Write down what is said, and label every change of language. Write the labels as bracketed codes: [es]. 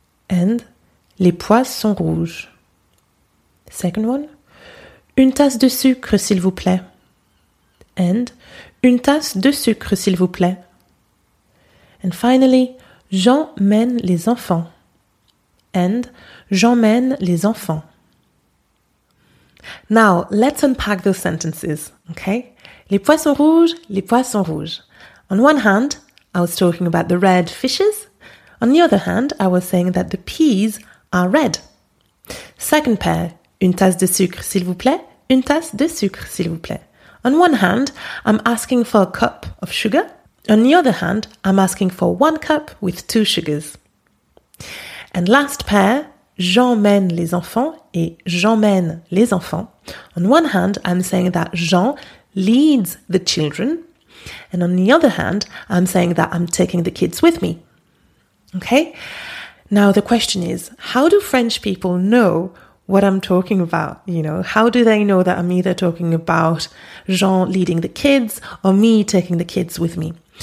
[en] And [fr] les poissons rouges. [en] Second one. [fr] Une tasse de sucre, s'il vous plaît. And une tasse de sucre, s'il vous plaît. [en] And finally, [fr] j'emmène les enfants. And j'emmène les enfants. [en] Now, let's unpack those sentences, okay? [fr] Les poissons rouges, les poissons rouges. [en] On one hand, I was talking about the red fishes. On the other hand, I was saying that the peas are red. Second pair, [fr] une tasse de sucre, s'il vous plaît. Une tasse de sucre, s'il vous plaît. [en] On one hand, I'm asking for a cup of sugar. On the other hand, I'm asking for one cup with two sugars. And last pair, [fr] j'emmène les enfants et j'emmène les enfants. [en] On one hand, I'm saying that Jean leads the children. And on the other hand, I'm saying that I'm taking the kids with me. Okay? Now the question is, how do French people know what I'm talking about? You know, how do they know that I'm either talking about Jean leading the kids or me taking the kids with me?